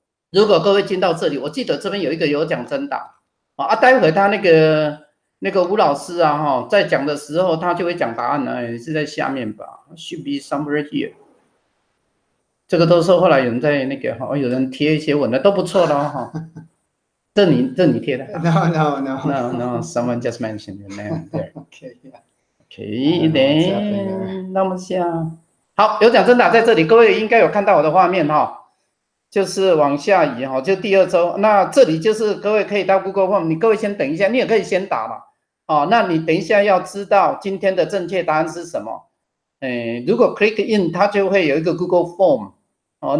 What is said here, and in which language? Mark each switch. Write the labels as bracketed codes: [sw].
[zh] 如果各位进到这里，我记得这边有一个有奖征答，待会他那个吴老师啊，在讲的时候他就会讲答案了，也是在下面吧， [en] should be somewhere here。 [zh] 这个都是后来有人在那个，有人贴一些文的，都不错的哦。这你贴的？ [en] No, someone just mentioned your name there. Okay, [zh] then, 那么下，好，有奖征答在这里，各位应该有看到我的画面哈，就是往下移哈，就第二周。那这里就是各位可以到 Google Form， 你各位先等一下，你也可以先打了，那你等一下要知道今天的正确答案是什么，如果 click in， 它就会有一个 Google Form。